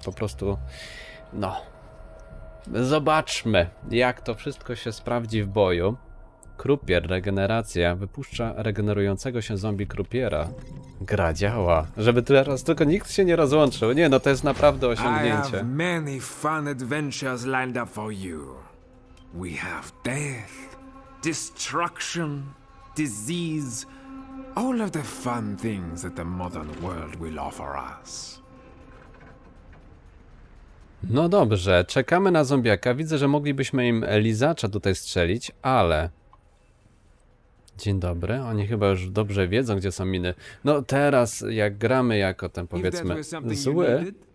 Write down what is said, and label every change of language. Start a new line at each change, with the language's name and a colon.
Polish: Po prostu, no. Zobaczmy, jak to wszystko się sprawdzi w boju. Krupier, regeneracja. Wypuszcza regenerującego się zombie krupiera. Gra działa. Żeby teraz tylko nikt się nie rozłączył. Nie, no to jest naprawdę osiągnięcie.
English: I have many fun adventures lined up for you. We have death. Destruction, disease, all of the fun things that the modern world will offer us.
Polish: No dobrze, czekamy na zombiaka. Widzę, że moglibyśmy im lizacza tutaj strzelić, ale... Dzień dobry, oni chyba już dobrze wiedzą, gdzie są miny. No teraz, jak gramy jako ten, powiedzmy, zły...